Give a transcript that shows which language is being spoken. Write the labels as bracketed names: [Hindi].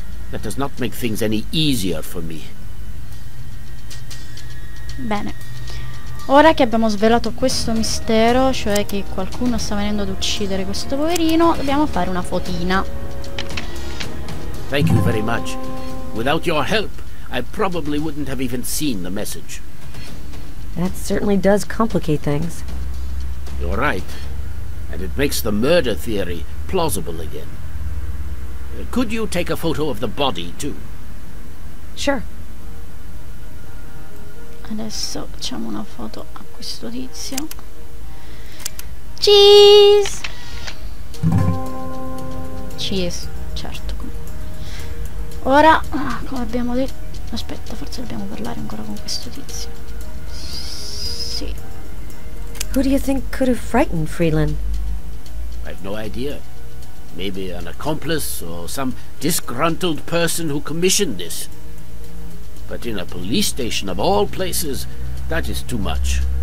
[English] That does not make things any easier for me. [Italian] Bene. Ora che abbiamo svelato questo mistero, cioè che qualcuno sta venendo ad uccidere questo poverino, dobbiamo fare una fotina. [English] Thank you very much. Without your help, I probably wouldn't have even seen the message. That certainly does complicate things. You're right. And it makes the murder theory plausible again. Could you take a photo of the body, too? Sure. [Italian] Adesso facciamo una foto a questo tizio. Cheese! Cheese, certo. Ora, come abbiamo detto... Aspetta, forse dobbiamo parlare ancora con questo tizio. Sì. [English] Who do you think could have frightened Freeland? I have no idea. Maybe an accomplice or some disgruntled person who commissioned this. But in a police station of all places, that is too much.